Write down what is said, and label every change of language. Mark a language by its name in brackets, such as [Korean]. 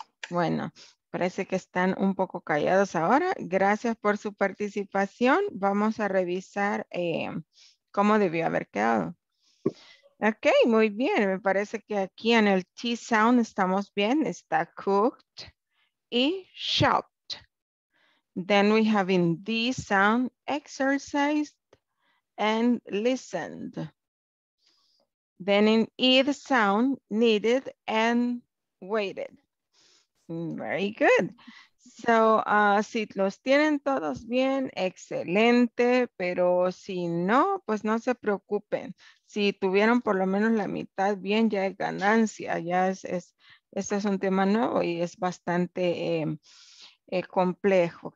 [Spanish] Bueno, parece que están un poco callados ahora. Gracias por su participación. Vamos a revisar cómo debió haber quedado. Ok, muy bien. Me parece que aquí en el T sound estamos bien. Está cooked y shopped. [English] Then we have in D sound exercised and listened. Then in E the sound needed and waited. Very good. [Spanish] So, si los tienen todos bien, excelente, pero si no, pues no se preocupen. Si tuvieron por lo menos la mitad bien, ya es ganancia, ya este es un tema nuevo y es bastante complejo.